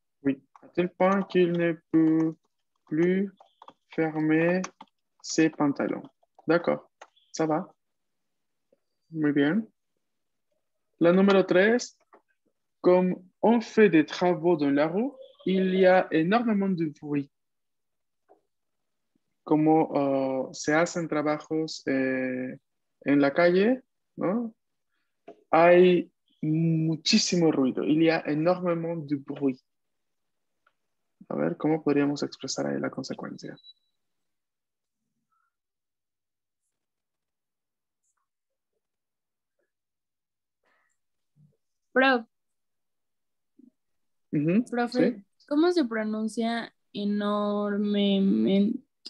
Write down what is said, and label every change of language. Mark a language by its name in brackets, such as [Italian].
[French] Oui, à tel point qu'il ne peut plus fermer ses pantalons. D'accord. Ça va. [Spanish] Muy bien. La número 3. [French] Comme on fait des travaux dans la rue, il y a énormément de bruit. [Spanish] Como se hacen trabajos en la calle, ¿no? Hay muchísimo ruido. [French] Il y a énormément de bruit. [Spanish] A ver, ¿cómo podríamos expresar ahí la consecuencia? Prof. Sí. Profe, ¿cómo se pronuncia enormemente?